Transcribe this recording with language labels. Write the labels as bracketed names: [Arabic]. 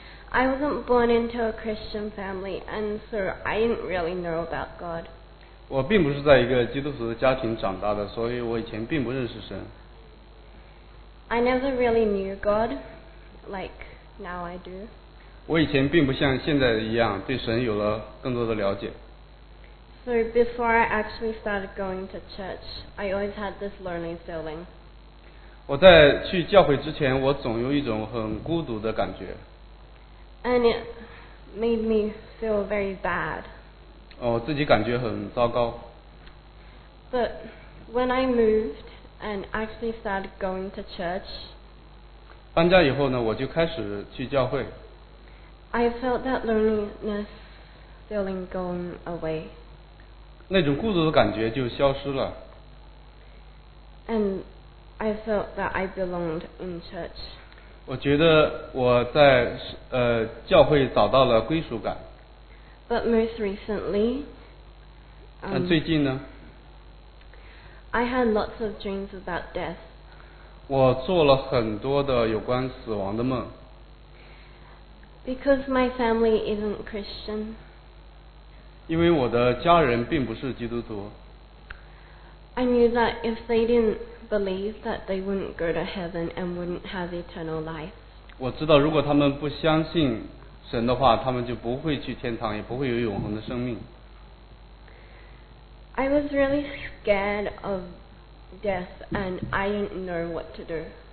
[English] I wasn't born into a Christian family and so I didn't really know about God. [Chinese] 我并不是在一个基督徒的家庭长大的，所以我以前并不认识神。 [English] I never really knew God like now I do. [Chinese] 我以前并不像现在一样对神有了更多的了解。 [English] So before I actually started going to church, I always had this lonely feeling. [Chinese] 我在去教会之前，我总有一种很孤独的感觉。 [English] And it made me feel very bad. [Chinese] 我自己感觉很糟糕。 [English] But when I moved and actually started going to church, [Chinese] 搬家以后呢，我就开始去教会。 [English] I felt that loneliness feeling going away. [Chinese] 那种孤独的感觉就消失了。 [English] And I felt that I belonged in church. [Chinese] 我觉得我在教会找到了归属感。 [English] But most recently, [Chinese] 但最近呢？ [English] I had lots of dreams about death. [Chinese] 我做了很多的有关死亡的梦。 [English] Because my family isn't Christian. [Chinese] 因为我的家人并不是基督徒。 [English] I knew that if they didn't believe that they wouldn't go to heaven and wouldn't have eternal life. [Chinese] 我知道如果他们不相信神的话，他们就不会去天堂，也不会有永恒的生命。 [English] I was really scared of death and I didn't know what to do.